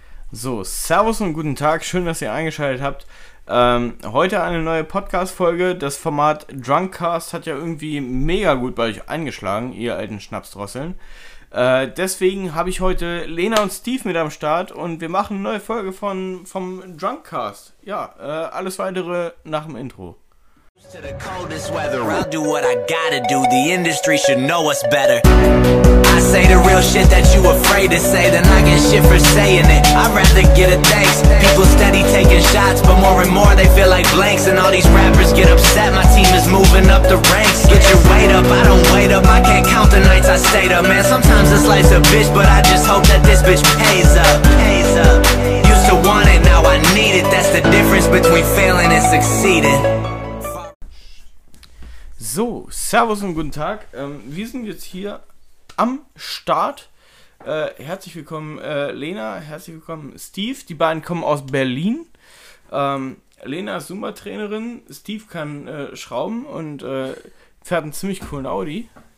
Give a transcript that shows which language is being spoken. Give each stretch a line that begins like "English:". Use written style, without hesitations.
German: So, Servus und guten Tag, schön, dass ihr eingeschaltet habt. Heute eine neue Podcast-Folge. Das Format Drunkcast hat ja irgendwie mega gut bei euch eingeschlagen, ihr alten Schnapsdrosseln. Deswegen habe ich heute Lena und Steve mit am Start und wir machen eine neue Folge vom Drunkcast. Ja, alles weitere nach dem Intro.
English: To the coldest weather, I'll do what I gotta do. The industry should know us better. I say the real shit that you afraid to say, then I get shit for saying it. I'd rather get a thanks. People steady taking shots, but more and more they feel like blanks. And all these rappers get upset, my team is moving up the ranks. Get your weight up, I don't wait up, I can't count the nights I stayed up. Man, sometimes this life's a bitch, but I just hope that this bitch pays up. Pays up. Used to want it, now I need it. That's the difference between failing and succeeding.
German: So, Servus und guten Tag. Wir sind jetzt hier am Start. Herzlich willkommen, Lena. Herzlich willkommen, Steve. Die beiden kommen aus Berlin. Lena ist Zumba-Trainerin. Steve kann schrauben und fährt einen ziemlich coolen Audi.